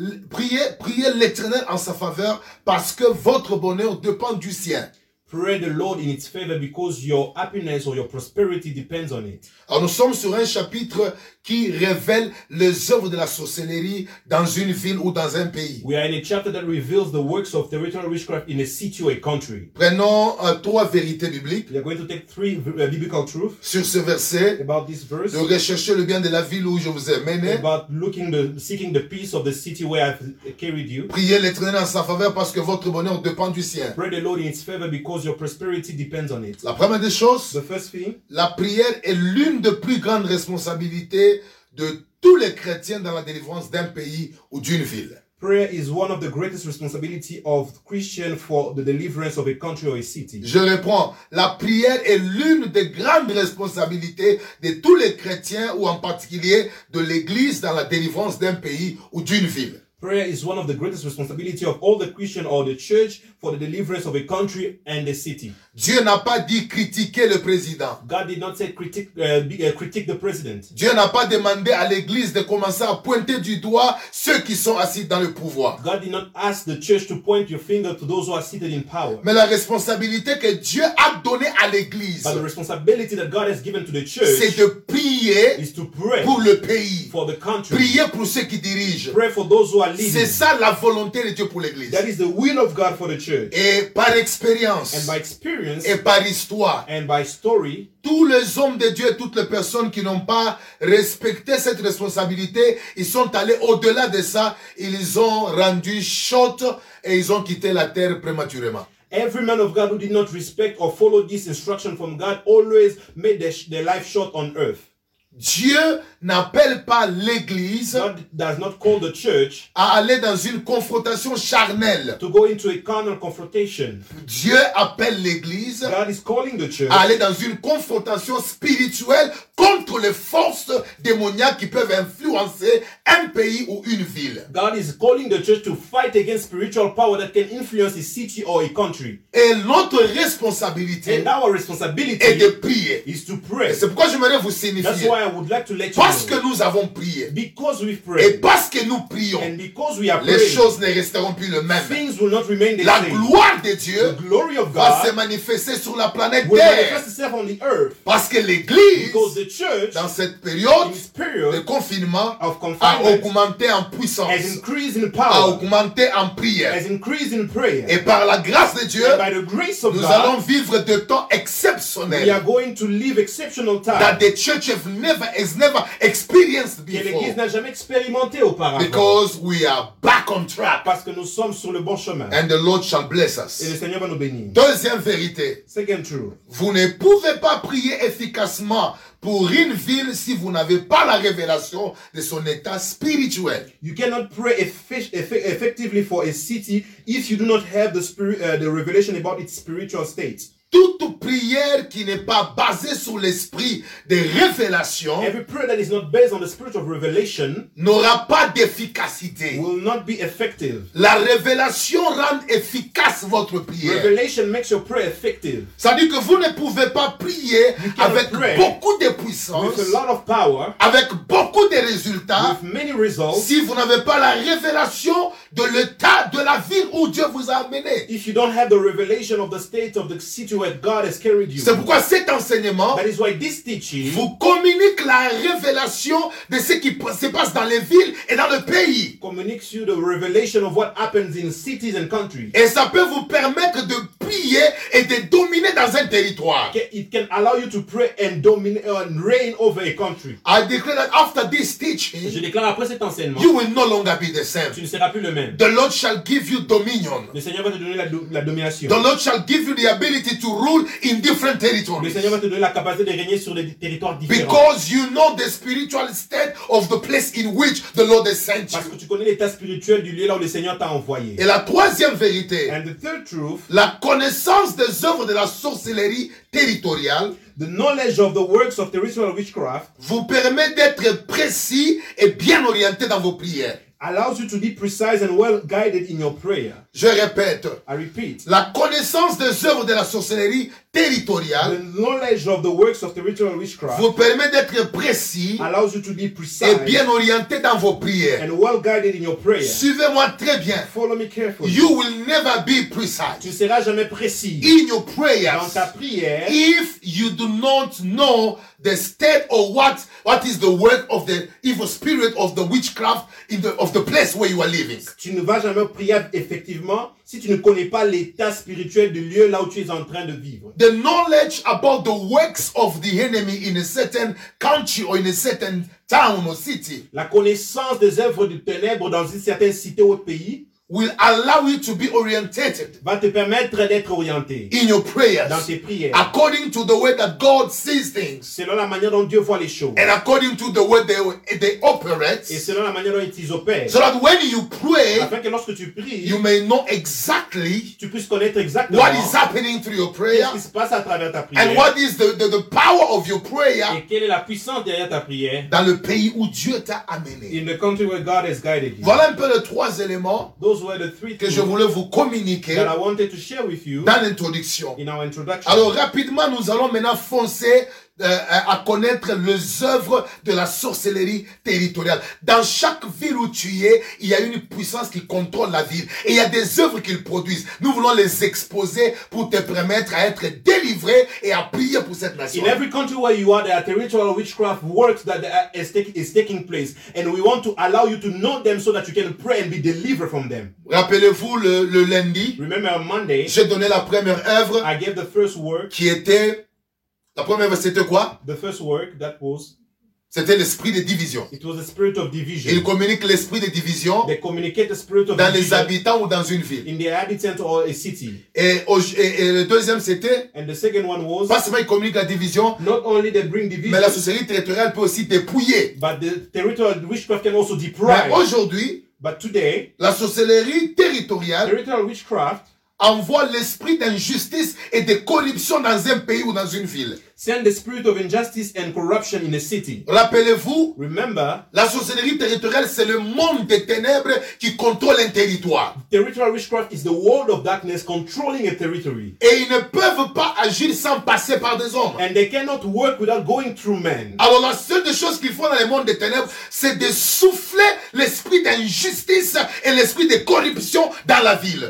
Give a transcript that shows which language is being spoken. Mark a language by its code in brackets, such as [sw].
[fr] Priez l'Éternel en sa faveur parce que votre bonheur dépend du sien. [en] Pray the Lord in its favor because your happiness or your prosperity depends on it. [fr] Alors nous sommes sur un chapitre qui révèle les œuvres de la sorcellerie dans une ville ou dans un pays. [en] We are in a chapter that reveals the works of territorial witchcraft in a city or a country. [fr] Prenons trois vérités bibliques. [en] We are going to take three biblical truths. [fr] Sur ce verset. [en] About this verse. [fr] De rechercher le bien de la ville où je vous ai mené. [en] About seeking the peace of the city where I have carried you. [fr] Priez l'Éternel en sa faveur parce que votre bonheur dépend du sien. [en] Pray the Lord in its favor because your prosperity depends on it. [fr] La première des choses. [en] The first thing. [fr] La prière est l'une des plus grandes responsabilités de tous les chrétiens dans la délivrance d'un pays ou d'une ville. [en] Prayer is one of the greatest responsibility of Christians for the deliverance of a country or a city. [fr] Je reprends, la prière est l'une des grandes responsabilités de tous les chrétiens ou en particulier de l'église dans la délivrance d'un pays ou d'une ville. [en] Prayer is one of the greatest responsibility of all the Christian or the church for the deliverance of a country and a city. [fr] Dieu n'a pas dit critiquer le président. [en] God did not say critique the president. [fr] Dieu n'a pas demandé à l'église de commencer à pointer du doigt ceux qui sont assis dans le pouvoir. [en] God did not ask the church to point your finger to those who are seated in power. [fr] Mais la responsabilité que Dieu a donnée à l'église. [en] But the responsibility that God has given to the church. [fr] C'est de prier [en] is to pray [fr] pour le pays. [en] For the country. [fr] Prier pour ceux qui dirigent. [en] Pray for those who are leading. [fr] C'est ça la volonté de Dieu pour l'église. [en] That is the will of God for the church. [fr] Et par expérience. [en] And by experience. [fr] Et par histoire, [en] and by story, [fr] tous les hommes de Dieu et toutes les personnes qui n'ont pas respecté cette responsabilité, ils sont allés au-delà de ça, ils ont rendu chaude et ils ont quitté la terre prématurément. [en] Every man of God who did not respect or follow this instruction from God always made their life short on earth. [fr] Dieu n'appelle pas l'église [en] God does not call the church [fr] à aller dans une confrontation charnelle. [en] To go into a carnal confrontation. [fr] Dieu appelle l'église [en] God is calling the church [fr] à aller dans une confrontation spirituelle contre les forces démoniaques qui peuvent influencer un pays ou une ville. [en] God is calling the church to fight against spiritual power that can influence a city or a country. [fr] Et notre responsabilité [en] and our responsibility [fr] est de prier. [en] Is to pray. [fr] C'est pourquoi j'aimerais vous signifier. [en] That's why I would like to let you [fr] parce [en] know. [fr] Que nous avons prié [en] because we've prayed. [fr] Et parce que nous prions [en] and because we are [fr] les [en] praying, [fr] choses ne resteront plus les mêmes. [en] Things will not remain the [fr] la [en] same. [fr] Gloire de Dieu [en] the glory of God [fr] va se manifester sur la planète [en] will [fr] Terre [en] manifest itself on the earth. [fr] Parce que l'Église [en] because the church, [fr] dans cette période [en] in this period [fr] de confinement [en] of confinement, [fr] a augmenté en puissance [en] has increased in power, [fr] a augmenté en prière [en] has increased in prayer. [fr] Et par la grâce de Dieu [en] and by the grace of [fr] nous [en] God, [fr] allons vivre de temps exceptionnels [en] we are going to live exceptional time that the church have never has never experienced before. [fr] Que l'Église n'a jamais expérimenté auparavant. [en] Because we are back on track. [fr] Parce que nous sommes sur le bon chemin. [en] And the Lord shall bless us. [fr] Et le Seigneur va nous bénir. Deuxième vérité. [en] Second truth. [fr] Vous ne pouvez pas prier efficacement pour une ville si vous n'avez pas la révélation de son état spirituel. [en] You cannot pray effectively for a city if you do not have the revelation about its spiritual state. [fr] toute prière qui n'est pas basée sur l'esprit de révélation, [en] every prayer that is not based on the spirit of revelation, [fr] n'aura pas d'efficacité. [en] Will not be effective. [fr] La révélation rend efficace votre prière. [en] Revelation makes your prayer effective. [fr] Ça dit que vous ne pouvez pas prier avec beaucoup de puissance, [en] with a lot of power, [fr] avec beaucoup de résultats, [en] with many results, [fr] si vous n'avez pas la révélation de l'état de la ville où Dieu vous a amené. [en] If you don't have the revelation of the state of the city where God has carried you. [fr] C'est pourquoi cet enseignement, [en] that is why this teaching, [fr] vous communique la révélation de ce qui se passe dans les villes et dans le pays. [en] Communicates you the revelation of what happens in cities and countries. [fr] Et ça peut vous permettre de prier et de dominer dans un territoire. [en] It can allow you to pray and dominate and reign over a country. I declare that after this teaching, [fr] je déclare après cet enseignement, [en] you will no longer be the same. [fr] Tu ne seras plus le même. [en] The Lord shall give you dominion. [fr] Le Seigneur va te donner la domination. [en] The Lord shall give you the ability to rule in different territories. [fr] Le Seigneur va te donner la capacité de régner sur des territoires différents. [en] Because you know the spiritual state of the place in which the Lord has sent you. [fr] Parce que tu connais l'état spirituel du lieu là où le Seigneur t'a envoyé. Et la troisième vérité, [en] and the third truth, [fr] la connaissance des œuvres de la sorcellerie territoriale, [en] the knowledge of the works of territorial witchcraft, [fr] vous permet d'être précis et bien orienté dans vos prières. [en] Allows you to be precise and well guided in your prayer. [fr] Je répète. [en] I repeat. [fr] La connaissance des œuvres de la sorcellerie territoriale, [en] the knowledge of the works of territorial witchcraft, [fr] vous permet d'être précis, [en] allows you to be precise, [fr] et bien orienté dans vos prières, [en] and well guided in your prayer. [fr] Suivez-moi très bien. [en] Follow me carefully. You will never be precise. [fr] Tu ne seras jamais précis. [en] In your prayers, [fr] dans ta prière, [en] if you do not know the state or what is the work of the evil spirit of the witchcraft in the of the place where you are living. [fr] Tu ne vas jamais prier effectivement si tu ne connais pas l'état spirituel du lieu là où tu es en train de vivre. [en] The knowledge about the works of the enemy in a certain country or in a certain town or city, [fr] la connaissance des œuvres du ténèbre dans une certaine cité ou pays, [en] will allow you to be orientated, [fr] va te permettre d'être orienté, [en] in your prayers, [fr] dans tes prières, [en] according to the way that God sees things, [fr] selon la manière dont Dieu voit les choses, [en] and according to the way they operate, [fr] et selon la manière dont ils opèrent, [en] so that when you pray, [fr] afin que lorsque tu pries, [en] you may know exactly, [fr] tu puisses connaître exactement [en] what is happening through your prayer, [fr] qu'est-ce qui se passe à travers ta prière, [en] and what is the power of your prayer, [fr] et quelle est la puissance derrière ta prière, dans le pays où Dieu t'a amené, [en] in the country where God has guided you. [fr] Voilà un peu les trois éléments. [en] Those were the three [fr] que je voulais vous communiquer [en] that I wanted to share with you [fr] dans l'introduction. [en] In our introduction. [fr] Alors rapidement, nous allons maintenant foncer à connaître les œuvres de la sorcellerie territoriale. Dans chaque ville où tu es, il y a une puissance qui contrôle la ville. Et il y a des œuvres qu'ils produisent. Nous voulons les exposer pour te permettre à être délivré et à prier pour cette nation. [en] In every country where you are, there are territorial witchcraft works that is taking place. And we want to allow you to know them so that you can pray and be delivered from them. [fr] Rappelez-vous le lundi. [en] Remember on Monday. [fr] J'ai donné la première œuvre. [en] I gave the first work. [fr] Qui était... La première œuvre, c'était quoi? [en] The first work that was, [fr] c'était l'esprit de division. [en] It was the spirit of division. [fr] Il communique l'esprit de division. [en] They communicate the spirit of [fr] dans [en] division [fr] les habitants ou dans une ville. [en] In the habitant or a city. [fr] Et le deuxième, c'était, [en] and the second one was, [fr] pas seulement il communique la division, [en] not only they bring division, [fr] mais la sorcellerie territoriale peut aussi dépouiller. [en] But the territorial witchcraft can also deprive. [fr] Mais aujourd'hui, [en] but today, [fr] la sorcellerie territoriale, [en] territorial witchcraft, [fr] envoie l'esprit d'injustice et de corruption dans un pays ou dans une ville. [en] Send the spirit of injustice and corruption in a city. [fr] Rappelez-vous, [en] remember, [fr] la sorcellerie territoriale, c'est le monde des ténèbres qui contrôle un territoire. [en] Territorial witchcraft is the world of darkness controlling a territory. [fr] Et ils ne peuvent pas agir sans passer par des hommes. [en] And they cannot work without going through men. [fr] Alors la seule chose qu'ils font dans le monde des ténèbres, c'est de souffler l'esprit d'injustice et l'esprit de corruption dans la ville.